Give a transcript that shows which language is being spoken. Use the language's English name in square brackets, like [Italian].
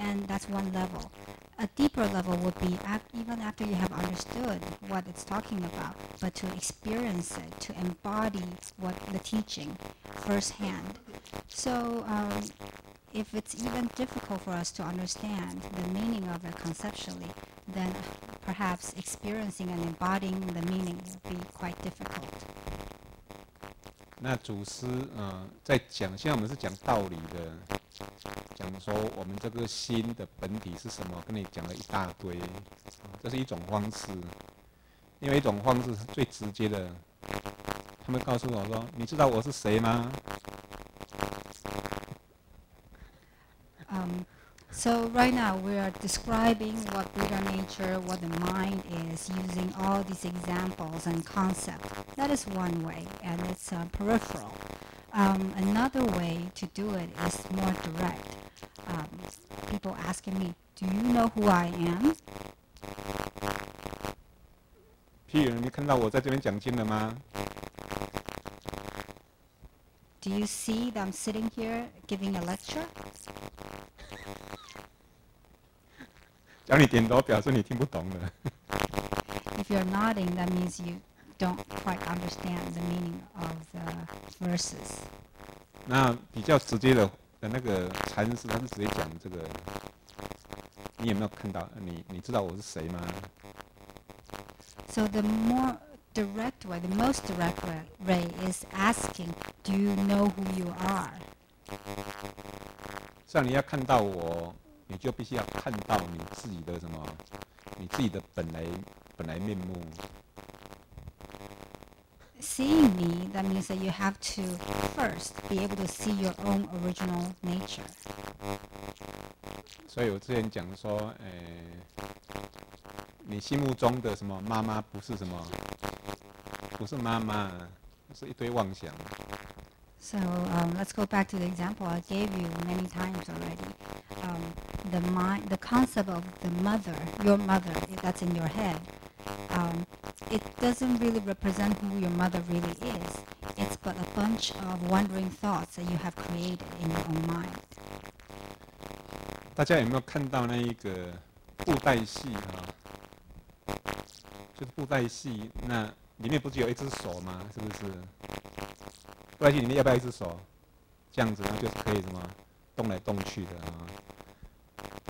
[English] And that's one level. A deeper level would be even after you have understood what it's talking about, but to experience it, to embody what the teaching firsthand. So if it's even difficult for us to understand the meaning of it conceptually, then perhaps experiencing and embodying the meaning would be quite difficult. [Chinese] 那祖师在讲，现在我们是讲道理的，讲说我们这个心的本体是什么，跟你讲了一大堆，这是一种方式。另外一种方式最直接的，他们告诉我说，你知道我是谁吗？ [English] So right now we are describing what Buddha nature, what the mind is, using all these examples and concepts. That is one way, and it's peripheral. Another way to do it is more direct. People asking me, "Do you know who I am?" [Chinese] 譬如你看到我在这边讲经了吗？ [English] Do you see that I'm sitting here giving a lecture? [Chinese] 只要你点头，表示你听不懂了。 [English] If you're nodding, that means you don't quite understand the meaning of the verses. [Chinese] 那比较直接的那个禅师，他是直接讲这个。你有没有看到你知道我是谁吗？ [English] So the more direct way, the most direct way is asking, do you know who you are? [Chinese] 像你要看到我，你就必须要看到你自己的什么，你自己的本来面目。 [English] Seeing me, that means that you have to first be able to see your own original nature. [Chinese] 所以我之前讲说，你心目中的什么妈妈不是什么，不是妈妈，是一堆妄想。 [English] So, let's go back to the example I gave you many times already. The concept of the mother, your mother, that's in your head. It doesn't really represent who your mother really is. It's but a bunch of wandering thoughts that you have created in your own mind. [Chinese] 大家有没有看到那一个布袋戏啊？就是布袋戏，那里面不是有一只手吗？是不是？布袋戏里面要不要一只手？这样子，然后就是可以什么动来动去的啊。